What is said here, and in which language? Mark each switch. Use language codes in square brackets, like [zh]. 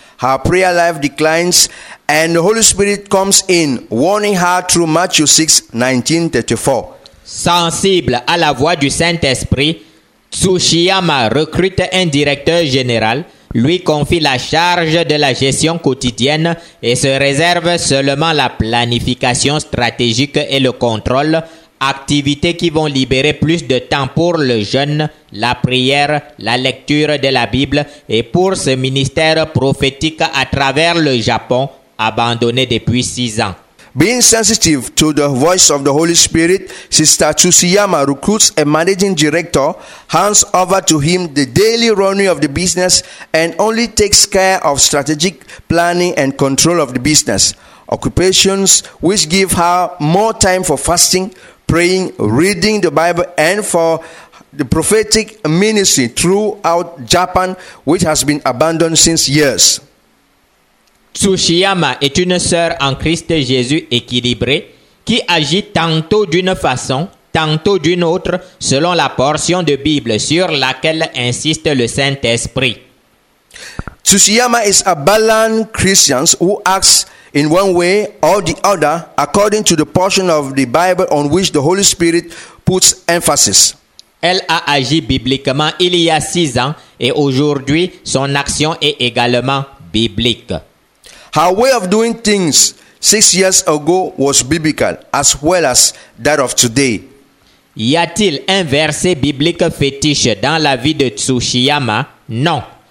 [en] Her prayer life declines, and the Holy Spirit comes in, warning her through Matthew 6:19-34. [fr] Sensible à la voix du Saint-Esprit, Tsushiyama recrute un directeur général, lui confie la charge de la gestion quotidienne et se réserve seulement la planification stratégique et le contrôle, activités qui vont libérer plus de temps pour le jeûne, la prière, la lecture de la Bible et pour ce ministère prophétique à travers le Japon, abandonné depuis 6 ans. [en] Being sensitive to the voice of the Holy Spirit, Sister Tsushiyama recruits a managing director, hands over to him the daily running of the business, and only takes care of strategic planning and control of the business. Occupations which give her more time for fasting, praying, reading the Bible, and for the prophetic ministry throughout Japan, which has been abandoned since years. [fr] Tsushiyama est une sœur en Christ Jésus équilibrée qui agit tantôt d'une façon, tantôt d'une autre, selon la portion de Bible sur laquelle insiste le Saint-Esprit. [en] Tsushiyama is a balanced Christian who acts in one way or the other according to the portion of the Bible on which the Holy Spirit puts emphasis. [fr] Elle a agi bibliquement il y a 6 ans et aujourd'hui son action est également biblique. [en] Her way of doing things 6 years ago was biblical as well as that of today. [fr] Y a-t-il un verset biblique fétiche dans la vie de Tsushiyama? Non.